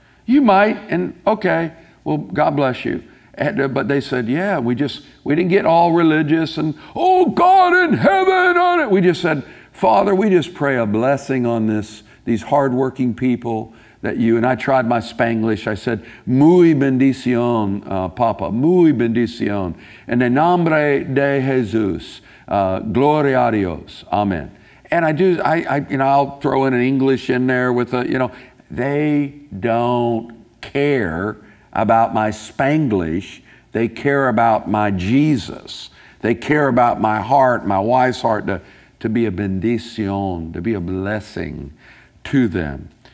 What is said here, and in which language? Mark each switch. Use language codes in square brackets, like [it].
[en] You might, and okay, well, God bless you. But they said, yeah, we didn't get all religious and, oh, God in heaven on it. We just said, Father, we just pray a blessing on these hardworking people that you, and I tried my Spanglish. I said, [es] muy bendición, Papa, muy bendición. En el nombre de Jesús, gloria a Dios, amen. [en] And I'll throw in an English in there with a, you know, they don't care about my Spanglish. They care about my Jesus. They care about my heart, my wife's heart, to be a bendición, to be a blessing to them.